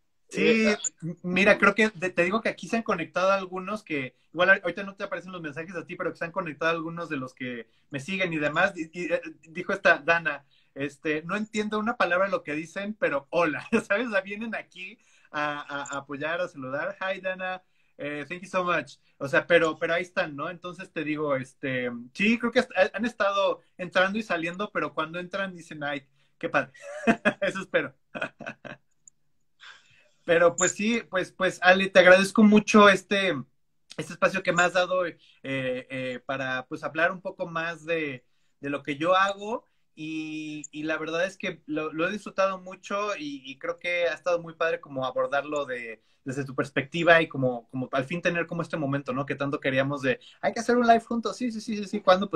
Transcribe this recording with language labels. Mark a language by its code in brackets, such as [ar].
[es] Sí, mira, creo que te digo que aquí se han conectado algunos que, igual ahorita no te aparecen los mensajes a ti, pero que se han conectado algunos de los que me siguen y demás. Dijo esta Dana, no entiendo una palabra de lo que dicen, pero hola, ¿sabes? O sea, vienen aquí a apoyar, a saludar. [en] Hi, Dana, thank you so much. [es] O sea, pero ahí están, ¿no? Entonces te digo, sí, creo que han estado entrando y saliendo, pero cuando entran dicen, ay, qué padre. Eso espero. Pero pues sí, pues Ale, te agradezco mucho este espacio que me has dado para pues hablar un poco más de lo que yo hago y la verdad es que lo he disfrutado mucho y creo que ha estado muy padre como abordarlo desde tu perspectiva y como al fin tener como este momento, ¿no? Que tanto queríamos de, hay que hacer un live juntos, sí, ¿cuándo?